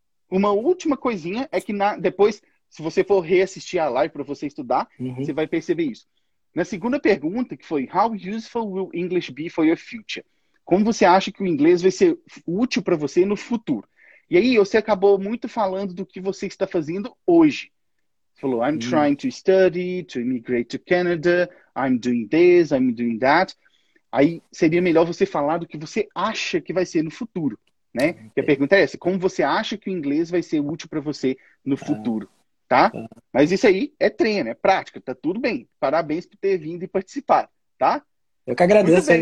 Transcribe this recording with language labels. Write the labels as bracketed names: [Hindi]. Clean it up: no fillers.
[Portuguese] Uma última coisinha é que depois, se você for reassistir a live para você estudar, você vai perceber isso. Na segunda pergunta, que foi: [English] How useful will English be for your future? [Portuguese] Como você acha que o inglês vai ser útil para você no futuro? E aí, você acabou muito falando do que você está fazendo hoje. Você falou: [English] I'm trying to study, to immigrate to Canada, I'm doing this, I'm doing that. [Portuguese] Aí seria melhor você falar do que você acha que vai ser no futuro. Né? E a pergunta é essa: como você acha que o inglês vai ser útil para você no futuro, tá? Mas isso aí é treino, é prática, tá tudo bem. Parabéns por ter vindo e participar, tá? Eu que agradeço aí